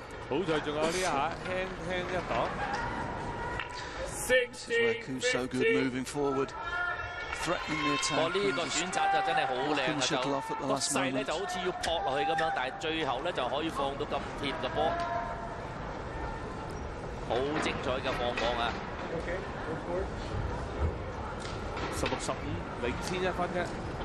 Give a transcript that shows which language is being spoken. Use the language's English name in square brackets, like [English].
[Cantonese] 好在仲有呢一下，輕輕一擋。 [English] This is where Koo's so good moving forward, threatening the attack. [Cantonese] 呢個選擇就真係好靚啊！就個勢咧就好似要撲落去咁樣，但係最後咧就可以放到咁貼嘅波，好精彩嘅放網啊！十六十五領先一分啫。